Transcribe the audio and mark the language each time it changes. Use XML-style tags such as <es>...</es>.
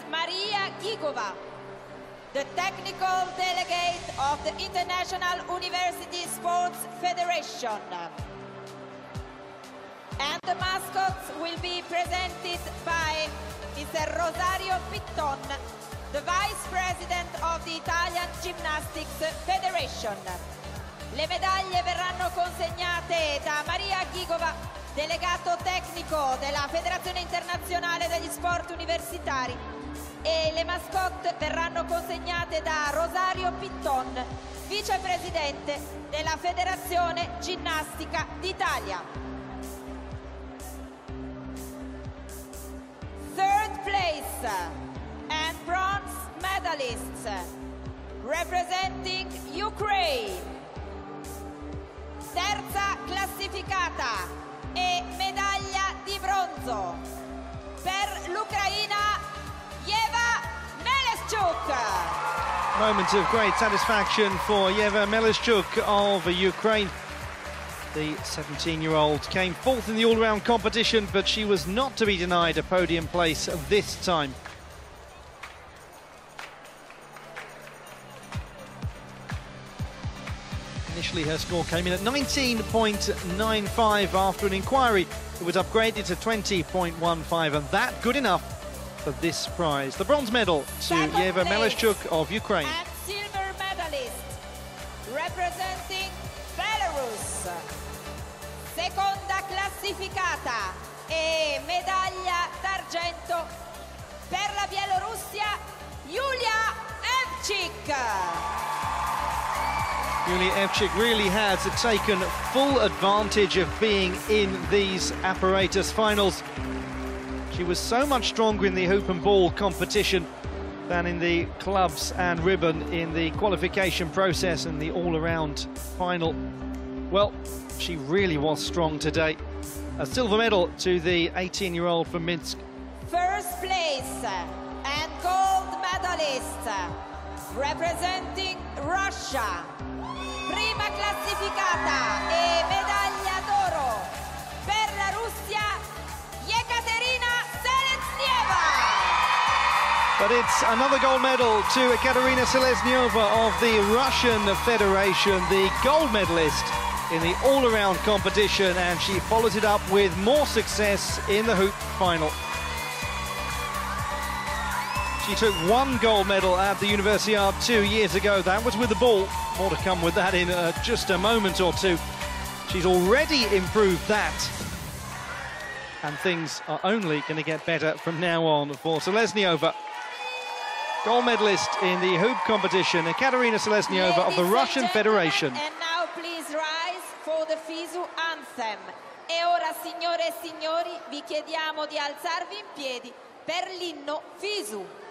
<en>Maria Gigova, the technical delegate of the International University Sports Federation. And the mascots will be presented by Mr. Rosario Pitton, the vice president of the Italian Gymnastics Federation.</en> <it>Le medaglie verranno consegnate da Maria Gigova, delegato tecnico della Federazione Internazionale degli Sport Universitari, e le mascotte verranno consegnate da Rosario Pitton, vicepresidente della Federazione Ginnastica d'Italia.</it> <en>Third place and bronze medalists representing Ukraine.</en> <it>Terza classificata e medaglia di bronzo per l'Ucraina, Yeva Melischuk.</it> <en>Moment of great satisfaction for Yeva Melischuk of Ukraine. The 17-year-old came fourth in the all-round competition, but she was not to be denied a podium place this time. Initially, her score came in at 19.95. After an inquiry, it was upgraded to 20.15, and that good enough for this prize. The bronze medal to Yeva Melischuk of Ukraine. And silver medalist representing Belarus.</en> <it>Seconda classificata e medaglia d'argento per la Bielorussia, Yulia Evchik.</it> <en>Yulia Evchik really has taken full advantage of being in these apparatus finals. She was so much stronger in the hoop and ball competition than in the clubs and ribbon in the qualification process and the all-around final. Well, she really was strong today. A silver medal to the 18-year-old from Minsk. First place and gold medalist representing Russia.</en> <it>Prima classificata e medaglia d'oro per la Russia, Yekaterina Selesnieva.</it> <en>But it's another gold medal to Yekaterina Selesnieva of the Russian Federation, the gold medalist in the all-around competition, and she follows it up with more success in the hoop final. She took one gold medal at the Universiade 2 years ago. That was with the ball. More to come with that in just a moment or two. She's already improved that. And things are only going to get better from now on for Selesnieva. Gold medalist in the hoop competition, Yekaterina Selesnieva of the Russian Federation. And now please rise for the FISU anthem.</en> <it>E ora, signore e signori, vi chiediamo di alzarvi in piedi per l'inno FISU.</it>